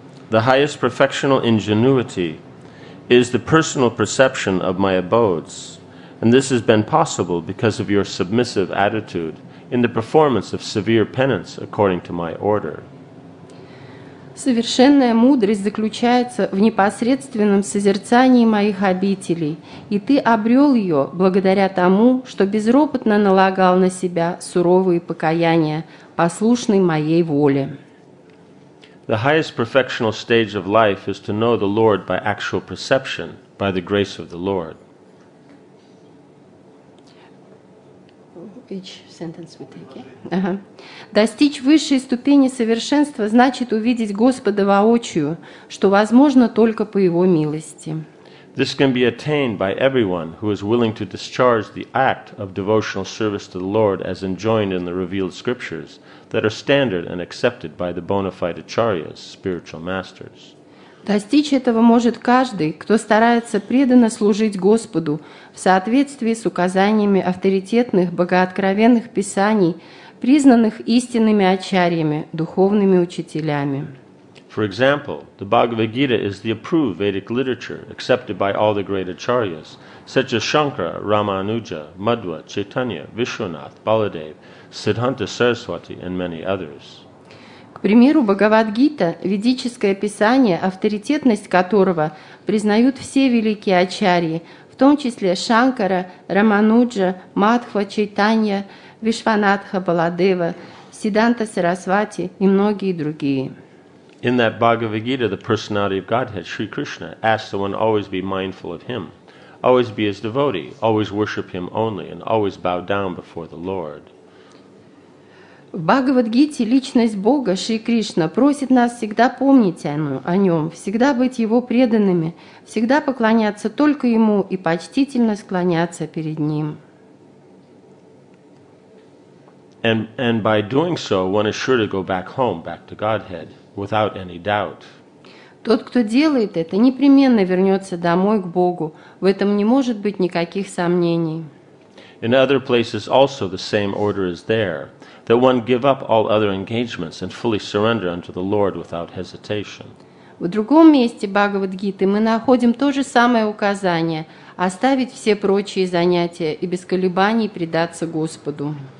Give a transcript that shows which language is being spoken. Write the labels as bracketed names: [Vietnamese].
[English] The highest perfectional ingenuity is the personal perception of my abodes, and this has been possible because of your submissive attitude in the performance of severe penance according to my order. [Russian] Совершенная мудрость заключается в непосредственном созерцании моих обителей, и ты обрел ее благодаря тому, что безропотно налагал на себя суровые покаяния, послушной моей воле. [English] The highest perfectional stage of life is to know the Lord by actual perception, by the grace of the Lord. Each sentence we take, yeah? Uh-huh. [Russian] Достичь высшей ступени совершенства значит увидеть Господа воочию, что возможно только по Его милости. [English] This can be attained by everyone who is willing to discharge the act of devotional service to the Lord as enjoined in the revealed scriptures that are standard and accepted by the bona fide acharyas, spiritual masters. [Russian] Достичь этого может каждый, кто старается преданно служить Господу в соответствии с указаниями авторитетных богооткровенных писаний, признанных истинными ачарьями, духовными учителями. [English] For example, the Bhagavad Gita is the approved Vedic literature accepted by all the great acharyas, such as Shankara, Ramanuja, Madhva, Chaitanya, Vishwanath, Baladev, Siddhanta Saraswati, and many others. [Russian] К примеру, Бхагавад-гита – ведическое писание, авторитетность которого признают все великие ачарьи, в том числе Шанкара, Рамануджа, Мадхва, Чайтанья, Вишванатха, Баладева, Сиддханта Сарасвати и многие другие. [English] In that Bhagavad Gita, the personality of Godhead, Sri Krishna, asks that one always be mindful of him. always be his devotee, always worship him only, and always bow down before the Lord. [Russian] В Бхагавад-гите личность Бога, Шри Кришна, просит нас всегда помнить о нем, всегда быть его преданными, всегда поклоняться только ему и почтительно склоняться перед ним. [English] And by doing so, one is sure to go back home, back to Godhead, without any doubt. [Russian] Тот, кто делает это, непременно вернется домой к Богу. В этом не может быть никаких сомнений. [English] In other places also the same order is there, that one give up all other engagements and fully surrender unto the Lord without hesitation. [Russian] В другом месте Бхагавад-гиты мы находим то же самое указание – оставить все прочие занятия и без колебаний предаться Господу.